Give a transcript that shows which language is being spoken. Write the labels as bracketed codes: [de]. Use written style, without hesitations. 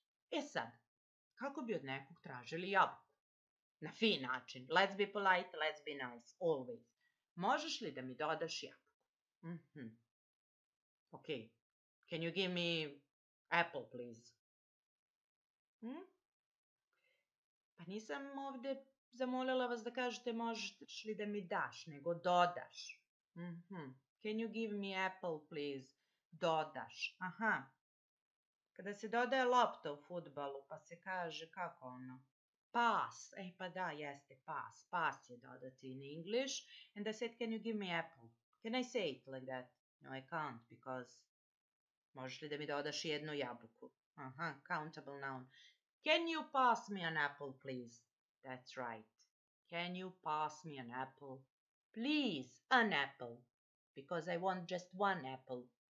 [sr] E sad, kako bi od nekog tražili jabuku? Na fin način, let's be polite, let's be nice, always. Možeš li da mi dodaš jabuku? [en] Ok, can you give me apple, please? [sr] Pa nisam ovde zamolila vas da kažete možeš li da mi daš, nego dodaš. [en] Can you give me apple, please? [sr] Dodaš. Aha. Kada se dodaje lopta u fudbalu, pa se kaže kako ono? Pass. E, pa da, jeste pass. Pass je dodati in English. [en] And I said, can you give me apple? Can I say it like that? No, I can't, because... [sr] Možeš li da mi dodaš jednu jabuku? [en] Aha, countable noun. Can you pass me an apple, please? That's right. Can you pass me an apple? Please, an apple. Because I want just one apple.